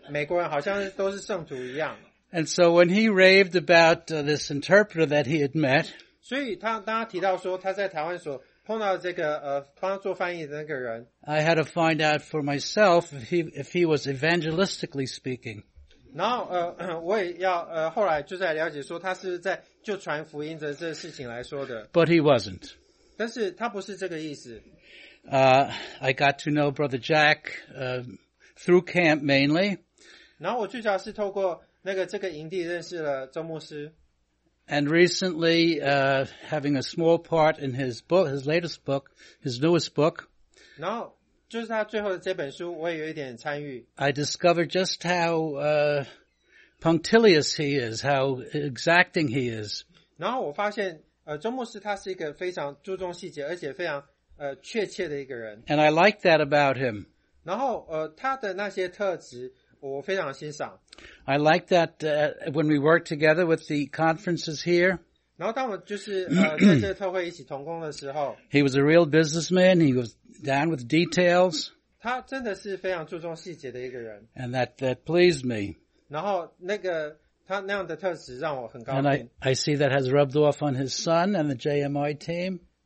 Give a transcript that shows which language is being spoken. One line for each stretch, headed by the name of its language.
Chinese: 然后他会让那些德国人觉得说美国人好像都是圣徒一样。
English: And so when he raved about this interpreter that he had met,
Chinese: 所以他当他提到说他在台湾所碰到这个帮他做翻译的那个人,
English: I had to find out for myself if he was evangelistically speaking.
Chinese: 然后我也要后来就在了解说他是在就传福音的这个事情来说的。
English: But he wasn't.
Chinese: 但是他不是这个意思。
English: I got to know Brother Jack through camp mainly.
Chinese: 然后我最早是透过这个营地认识了周牧师。
English: And recently, having a small part in his book, his latest book, his newest book.
Chinese: 然后就是他最后的这本书，我也有一点参与。
English: I discovered just how punctilious he is, how exacting he is.
Chinese: 然后我发现, 周牧师他是一个非常注重细节，而且非常 确切的一个人。
English: And I like that about him.
Chinese: 然后, 他的那些特质, 我非常欣赏。
English: I like that when we work together with the conferences here.
Chinese: 然后当我就是, 在这个特会一起同工的时候,
English: he was a real businessman. He was down with details.
Chinese: 他真的是非常注重细节的一个人。
English: And that pleased me.
Chinese: 然后那个, 他那样的特质让我很高兴。
English: And I see that has rubbed off on his son and the JMI team.